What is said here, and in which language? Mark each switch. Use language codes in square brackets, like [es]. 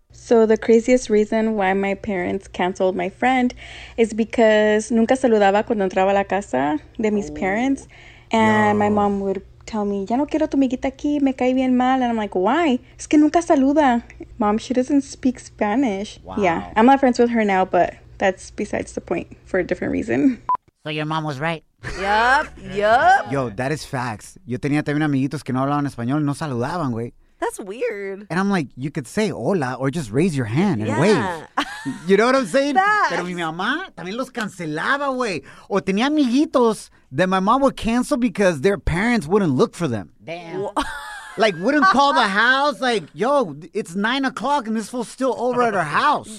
[en] So the craziest reason why my parents canceled my friend is because [es] nunca saludaba cuando entraba a la casa de [en] mis parents. And my mom would tell me, [es] ya no quiero tu amiguita aquí, me cae bien mal. [en] And I'm like, why? [es] Es que nunca saluda. [en] Mom, she doesn't speak Spanish. Wow. Yeah, I'm not friends with her now, but that's besides the point for a different reason. So your mom was right. Yep. Yo, that is facts. [es] Yo tenía también amiguitos que no hablaban español, no saludaban, güey. [en] That's weird. And I'm like, you could say hola or just raise your hand and wave. You know what I'm saying? Facts. [es] Pero mi mamá también los cancelaba, güey. O tenía amiguitos [en] that my mom would cancel because their parents wouldn't look for them. Damn. Like, wouldn't call the house, like, yo, it's 9 o'clock and this fool's still over at her house.